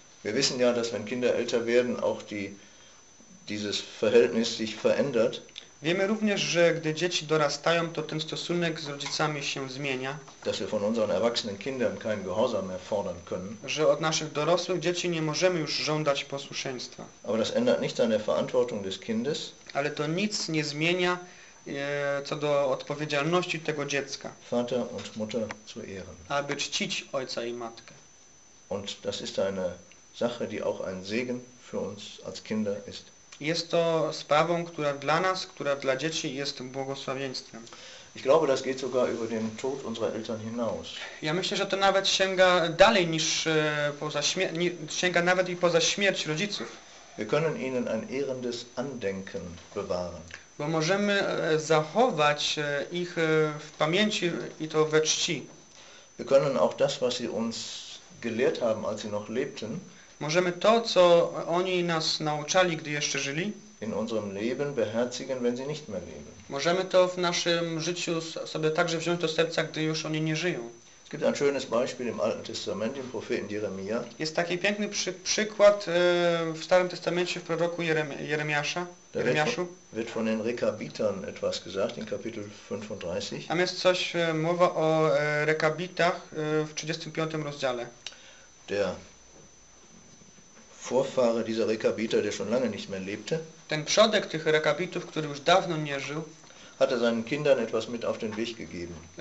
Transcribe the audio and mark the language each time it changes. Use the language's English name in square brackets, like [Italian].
[German] Wir wissen ja, dass wenn Kinder älter werden, auch dieses Verhältnis sich verändert. [Polish] Wiemy również, że gdy dzieci dorastają, to ten stosunek z rodzicami się zmienia. [German] Dass wir von unseren erwachsenen Kindern keinen Gehorsam mehr fordern können. [Polish] Że od naszych dorosłych dzieci nie możemy już żądać posłuszeństwa. [German] Aber das ändert nichts an der Verantwortung des Kindes. [Polish] Ale to nic nie zmienia co do odpowiedzialności tego dziecka. [German] Vater und Mutter zu ehren. [Polish] Aby czcić ojca i matkę. [German] Und das ist eine Sache, die auch ein Segen für uns als Kinder ist. [Polish] Jest to sprawą, która dla nas, która dla dzieci jest błogosławieństwem. [German] Ich glaube, das geht sogar über den Tod unserer Eltern hinaus. [Polish] Ja myślę, że to nawet sięga dalej niż poza sięga nawet i poza śmierć rodziców. [German] Wir können ihnen ein ehrendes Andenken bewahren. [Polish] Bo możemy zachować ich w pamięci i to we czci. [German] Wir können auch das, was sie uns gelehrt haben, als sie noch lebten, [Polish] możemy to, co oni nas nauczali, gdy jeszcze żyli, [German] in unserem Leben beherzigen, wenn sie nicht mehr leben. [Polish] Możemy to w naszym życiu sobie także wziąć do serca, gdy już oni nie żyją. [German] Es gibt ein schönes Beispiel im Alten Testament, im Propheten Jeremia. [Polish] Jest taki piękny przykład w Starym Testamencie, w proroku Jeremiasza. Jeremiaszu. [German] Wird von den Rekabitern etwas gesagt, in Kapitel 35. [Polish] Tam jest coś, mowa o Rekabitach w 35 rozdziale. [German] Der Vorfahre dieser Rekabiter, der schon lange nicht mehr lebte. [Polish] Ten przodek tych Rekabitów, który już dawno nie żył, [German] hatte seinen Kindern etwas mit auf den Weg gegeben.